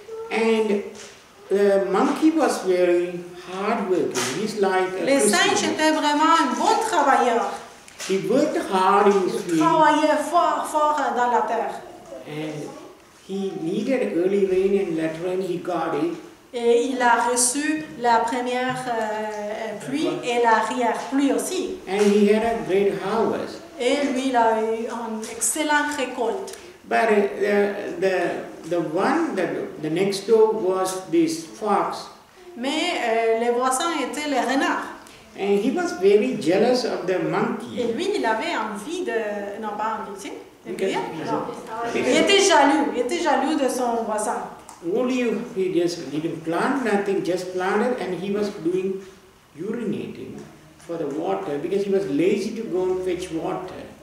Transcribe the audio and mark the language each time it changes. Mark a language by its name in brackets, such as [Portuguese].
[English] And the monkey was very hard working. He's like a [French] Christian. Le singe était vraiment un bon travailleur. [English] He worked hard in his field. [French] Il travaillait fort, fort dans la terre. [English] And He needed early rain and later rain he got it. [French] Et il a reçu la première pluie et la arrière pluie aussi. [English] And he had a great harvest. [French] Et lui il a eu une excellente récolte. [English] But the one that the next door was this fox. [French] Mais le voisin était le renard. [English] And he was very jealous of the monkey. [French] Et lui il avait envie de non pas envie, tu sais, de rire. Il était jaloux de son voisin. [English] Only he just didn't plant nothing, just planted, and he was doing urinating for the water because he was lazy to go and fetch water.